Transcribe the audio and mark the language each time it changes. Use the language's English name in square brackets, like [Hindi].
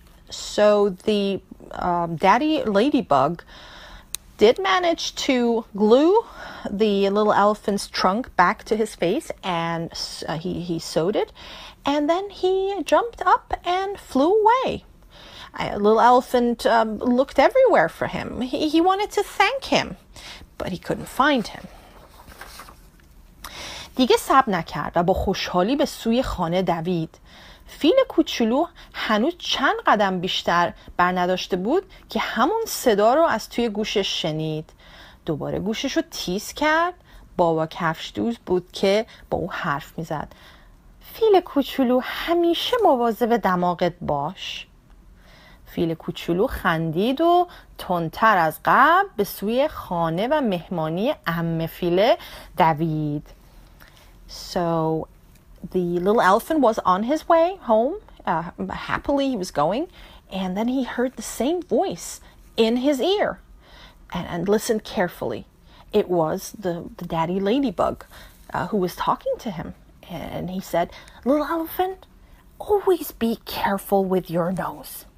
[English] So the daddy ladybug did manage to glue the little elephant's trunk back to his face, and he sewed it, and then he jumped up and flew away. Little elephant looked everywhere for him. He wanted to thank him, but he couldn't find him. [Persian] دیگه صبر نکرد و با خوشحالی به سوی خانه دوید. فیل کوچولو هنوز چند قدم بیشتر بر نداشته بود که همون صدا رو از توی گوشش شنید. دوباره گوشش رو تیز کرد. بابا کفش دوز بود که با او حرف می زد. فیل کوچولو همیشه مواظب دماغت باش. فیل کوچولو خندید و تندتر از قبل به سوی خانه و مهمانی عمه فیل دوید. [English] So the little elephant was on his way home, happily he was going, and then he heard the same voice in his ear and listened carefully. It was the daddy ladybug who was talking to him, and he said, "Little elephant, always be careful with your nose."